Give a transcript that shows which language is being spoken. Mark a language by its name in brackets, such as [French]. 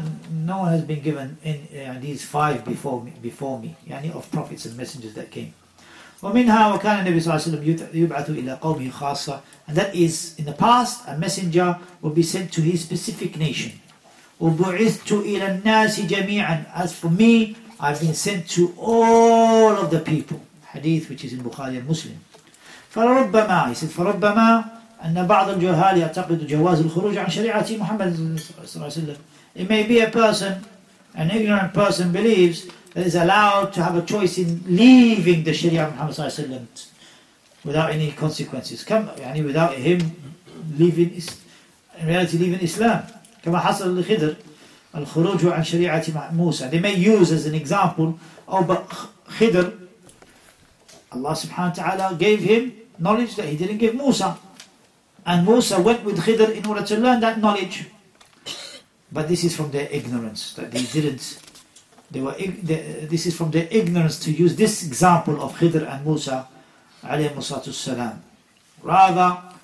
[English] No one has been given these 5 before me. يعني of prophets and messengers that came. [Arabic] ومنها وكان النبي صلى الله عليه وسلم يبعث إلى قومه خاصة. [English] And that is in the past a messenger will be sent to his specific nation. [Arabic] وَبُعِثْتُ إِلَى النَّاسِ جَمِيعًا, [English] as for me, I've been sent to all of the people. Hadith which is in Bukhari and Muslim. [Arabic] فَرَبَّمَا, [English] he said, [Arabic] فَرَبَّمَا أَنَّ بَعْضَ الْجُهَالِ يَعْتَقِدُ جَوَازُ الْخُرُوجِ عَنْ شَرِيعَةِ مُحَمَّدٍ صلى الله عليه وسلم. [English] It may be a person, an ignorant person believes that is allowed to have a choice in leaving the Sharia of Muhammad [Arabic] صلى الله عليه وسلم [English] without any consequences. Without him leaving, in reality leaving Islam. [Arabic] كما حصل لخضر الخروج عن شريعة موسى. [English] They may use as an example, oh, but Khidr, Allah subhanahu wa ta'ala gave him knowledge that he didn't give Musa. And Musa went with Khidr in order to learn that knowledge. But this is from their ignorance, that they didn't, this is from their ignorance to use this example of Khidr and Musa عليه الصلاة والسلام. Rather,